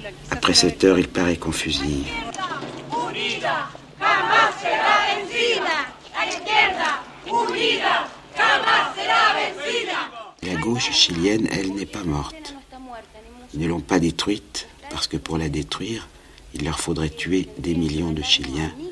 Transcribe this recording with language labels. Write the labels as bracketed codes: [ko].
[fr] Après 7 heures, il paraît qu'on fusille. [es] Unida, jamás será vencida. La izquierda, unida, jamás será vencida. [fr] La gauche chilienne, elle, n'est pas morte. Ils ne l'ont pas détruite, parce que pour la détruire, il leur faudrait tuer des millions de Chiliens.